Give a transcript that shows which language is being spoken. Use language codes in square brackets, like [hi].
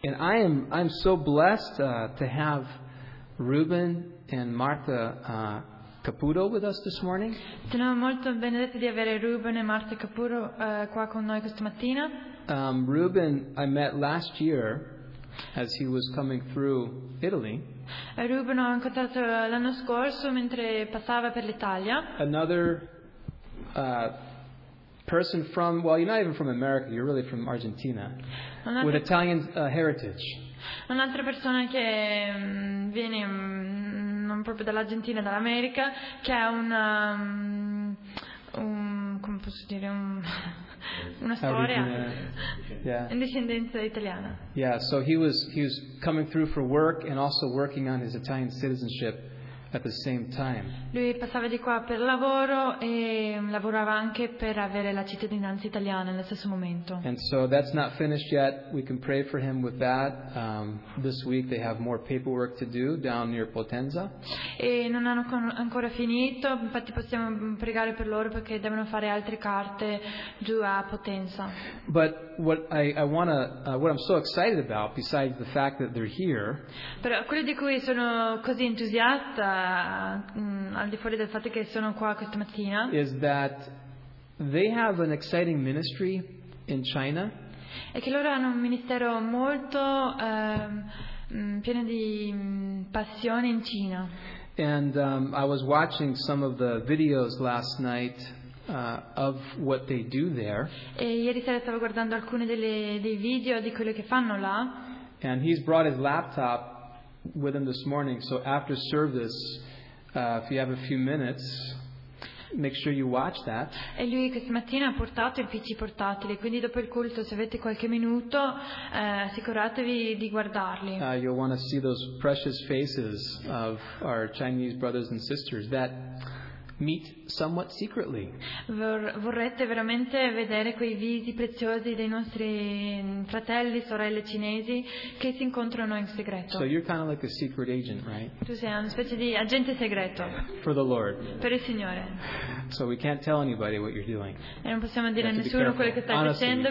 [en] And I'm so blessed to have Ruben and Martha Caputo with us this morning. [it] Sono molto benedetto di avere Ruben e Martha Caputo qua con noi questa mattina. [en] Ruben I met last year as he was coming through Italy. [it] Ruben ho incontrato l'anno scorso mentre passava per l'Italia. [en] Another person from, well, you're not even from America, you're really from Argentina, with Italian heritage. [it] Un'altra persona che viene non proprio dall'Argentina, dall'America, che ha una, come posso dire, una storia, in discendenza italiana. [en] Yeah, so he was coming through for work and also working on his Italian citizenship at the same time. [it] Lui passava di qua per lavoro e lavorava anche per avere la cittadinanza italiana nello stesso momento. [en] And so that's not finished yet. We can pray for him with that. This week they have more paperwork to do down near Potenza. [it] E non hanno ancora finito, infatti possiamo pregare per loro perché devono fare altre carte giù a Potenza. [en] But what I want to what I'm so excited about besides the fact that they're here. [it] Però quello di cui sono così entusiasta al di fuori del fatto che sono qua questa mattina, [en] is that they have an exciting ministry in China. [it] E che loro hanno un ministero molto pieno di passione in Cina. [en] And I was watching some of the videos last night of what they do there. [it] E ieri sera stavo guardando alcuni dei video di quello che fanno là. [en] And he's brought his laptop with him this morning, so after service, if you have a few minutes, make sure you watch that. [it] E lui questa mattina ha portato il PC portatile, quindi dopo il culto, se avete qualche minuto, assicuratevi di guardarli. [en] You'll want to see those precious faces of our Chinese brothers and sisters that meet somewhat secretly. [it] Vorrete veramente vedere quei visi preziosi dei nostri fratelli, sorelle cinesi che si incontrano in segreto. [en] So you're kind of like a secret agent, right? [it] Tu sei una specie di agente segreto. [en] For the Lord. [it] Per il Signore. [en] So we can't tell anybody what you're doing. [it] E non possiamo dire a nessuno quello che stai facendo.